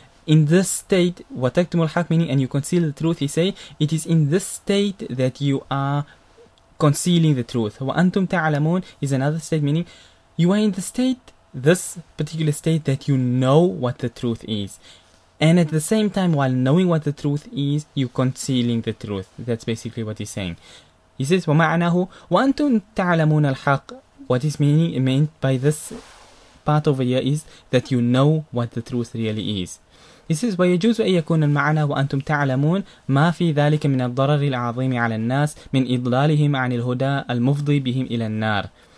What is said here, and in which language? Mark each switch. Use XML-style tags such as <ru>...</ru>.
<en>In this state,</en> <ar>وَتَكْتُمُ الْحَقِّ,</ar> <en>meaning, and you conceal the truth, he say, it is in this state that you are concealing the truth.</en> <ar>وَأَنْتُمْ تَعْلَمُونَ</ar> <en>is another state, meaning you are in the state, this particular state, that you know what the truth is. And at the same time, while knowing what the truth is, you're concealing the truth. That's basically what he's saying. He says,</en> <ar>وَمَعْنَهُ وَأَنْتُمْ تَعْلَمُونَ الْحَقِّ.</ar> <en>What is meant by this part over here is that you know what the truth really is. He says,</en> <ar>ويجوز أن يكون المعنى وأنتم تعلمون ما في ذلك من الضرر العظيم على الناس من إضلالهم عن الهدى المفضي بهم إلى النار.</ar>